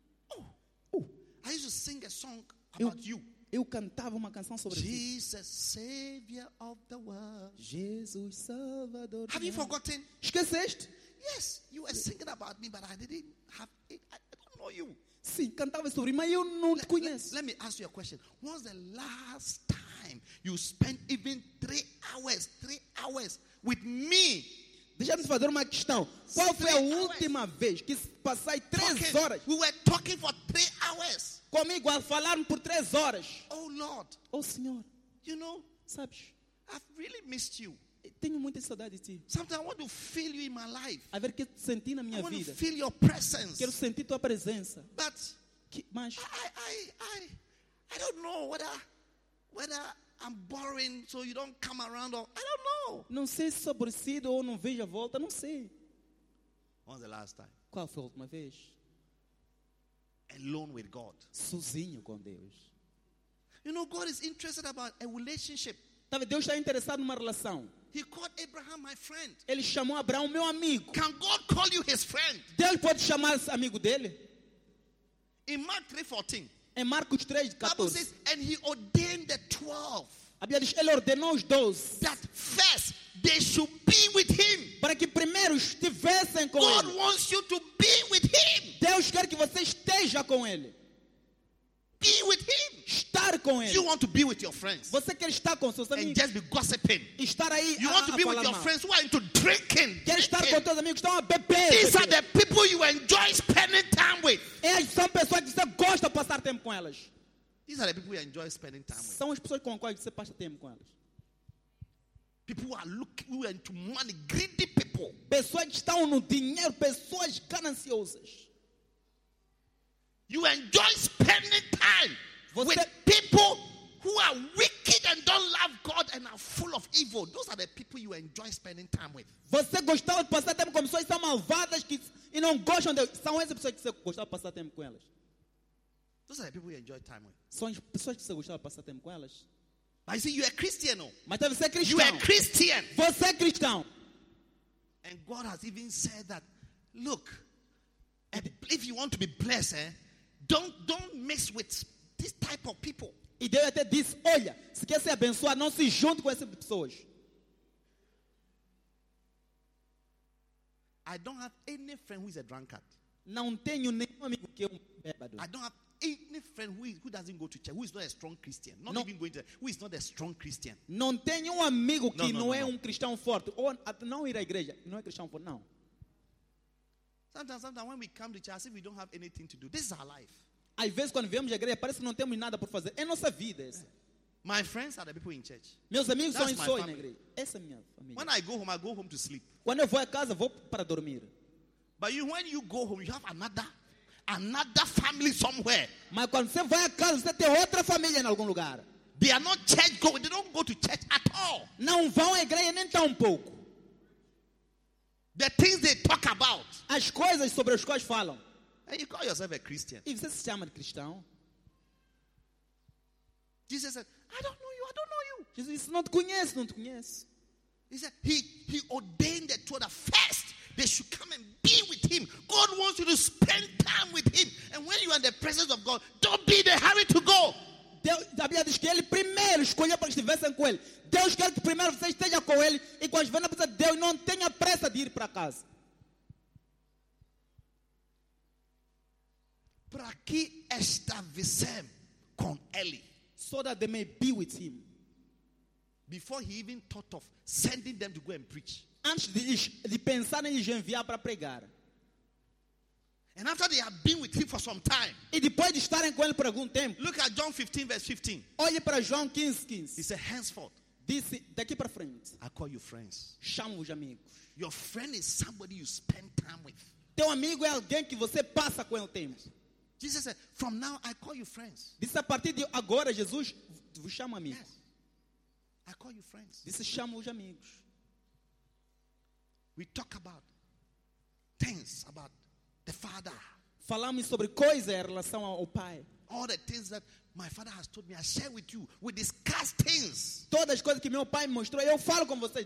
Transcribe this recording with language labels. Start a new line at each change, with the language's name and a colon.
English: Oh. Oh. I used to sing a song about you.
Portuguese: Eu cantava uma canção sobre
English: Jesus, Savior of the world.
Portuguese: Jesus, Salvador.
English: Have you forgotten?
Portuguese: Esqueceste?
English: Yes, you were singing about me, but I didn't have it. I don't know you.
Portuguese: Sim, cantava sobre mim, mas eu não te conheço.
English: Let me ask you a question. When's the last time you spent even 3 hours with me?
Portuguese: Deixa-me fazer uma questão. Qual foi a última vez que passei 3 horas?
English: We were talking for 3 hours.
Portuguese: Comigo a falar por 3 horas.
English: Oh Lord.
Portuguese: Oh Senhor.
English: You know,
Portuguese: sabes?
English: I've really missed you.
Portuguese: Tenho muita saudade de ti.
English: Sometimes I want to feel you in my life.
Portuguese: A ver que senti na minha
English: I
Portuguese: vida.
English: Want to feel your presence.
Portuguese: Quero sentir tua presença.
English: But
Portuguese: mas
English: I don't know whether I'm boring so you don't come around or I don't know.
Portuguese: Não sei se sou aborrecido ou não vejo a volta, não sei.
English: When's the last time?
Portuguese: Qual foi a última vez?
English: Alone with God.
Portuguese: Sozinho com Deus.
English: You know, God is interested about a relationship.
Portuguese: Deus está interessado numa relação.
English: He called Abraham my friend.
Portuguese: Ele chamou Abraão meu amigo.
English: Can God call you his friend?
Portuguese: Deus pode chamar amigo dele?
English: In Mark 3:14.
Portuguese: Em Marcos 3:14.
English: Bible says, and he ordained the 12.
Portuguese: A Bíblia diz, ele ordenou os 12.
English: That first they should be with him.
Portuguese: Para que primeiro estivessem com
English: God
Portuguese: ele.
English: God wants you to be with him.
Portuguese: Deus quer que você esteja com ele.
English: Be with him.
Portuguese: Estar com ele.
English: You want to be with your friends.
Portuguese: Você quer estar com seus amigos.
English: And just be gossiping.
Portuguese: Estar aí
English: you want to be with your
Portuguese: mal.
English: Friends who are into drinking.
Portuguese: Quer
English: drinking.
Portuguese: Estar com teus amigos que estão a beber.
English: These are the people you enjoy spending time with.
Portuguese: Essas são pessoas que você gosta de passar tempo com elas.
English: These are the people you enjoy spending time with.
Portuguese: São as pessoas com as quais você passa tempo com elas.
English: People are looking into money, greedy people.
Portuguese: Pessoas estão no dinheiro, pessoas gananciosas.
English: You enjoy spending time
Portuguese: você...
English: with people who are wicked and don't love God and are full of evil. Those are the people you enjoy spending time with.
Portuguese: Você gostava de passar tempo com pessoas que são malvadas que, e não gostam de... São essas pessoas que você gostava de passar tempo com elas.
English: Those are the people you enjoy time with.
Portuguese: São as pessoas que você gostava de passar tempo com elas.
English: I see you are Christian, no?
Portuguese: Mas você é cristão.
English: You are Christian.
Portuguese: Você é cristão.
English: And God has even said that, look, if you want to be blessed, don't mess with this type of people.
Portuguese: E Deus até disse, olha, se quer ser abençoado, não se junte com essas pessoas.
English: I don't have any friend who is a drunkard.
Portuguese: Não tenho nenhum amigo que é bêbado.
English: I don't have any friend who doesn't go to church, who is not a strong Christian. Not even going to church, who is not a strong Christian.
Portuguese: Não tenho um amigo que não é cristão forte. Ou não ir à igreja, não é cristão forte, não.
English: Sometimes when we come to church, I say we don't have anything to do. This is our life.
Portuguese: Às vezes quando viemos à igreja, parece que não temos nada por fazer. É nossa vida essa.
English: My friends are the people in church.
Portuguese: Meus amigos são só na igreja. Essa é minha família.
English: When I go home to sleep.
Portuguese: Quando eu vou à casa, vou para dormir.
English: But you, when you go home, you have another family somewhere.
Portuguese: Mas quando você vai à casa, você tem outra família em algum lugar.
English: They are not church going. They don't go to church at all.
Portuguese: Não vão à igreja nem tão pouco.
English: The things they talk about.
Portuguese: As coisas sobre as quais falam.
English: And you call yourself a Christian.
Portuguese: E você se chama de cristão?
English: Jesus said, I don't know you.
Portuguese: Jesus disse, não te conheço.
English: He said, he ordained the 12 that first they should come and be with him. God wants you to spend time with him. And when you are in the presence of God, don't be in the hurry to go.
Portuguese: Deus, a Bíblia diz que ele primeiro escolheu para que estivessem com ele. Deus quer que primeiro você esteja com ele e quando estiver na presença de Deus, não tenha pressa de ir para casa. Para que estavessem com ele?
English: So that they may be with him. Before he even thought of sending them to go and preach.
Portuguese: Antes de pensar em enviar para pregar.
English: And after they have been with him for some time.
Portuguese: E depois de estarem com ele por algum tempo.
English: Look at John 15 verse 15.
Portuguese: Olhe para João 15:15.
English: He said, henceforth.
Portuguese: Disse, daqui para frente.
English: I call you friends.
Portuguese: Chamo-vos amigos.
English: Your friend is somebody you spend time with.
Portuguese: Teu amigo é alguém que você passa com ele tempo.
English: Jesus said, from now I call you friends.
Portuguese: Disse, a partir de agora, Jesus vos chama amigos.
English: Yes. I call you friends.
Portuguese: Disse, chamo-vos amigos.
English: We talk about things about the Father.
Portuguese: Falamos sobre coisas em relação ao Pai.
English: All the things that my Father has told me, I share with you. We discuss things.
Portuguese: Todas as coisas que meu Pai me mostrou, eu falo com vocês.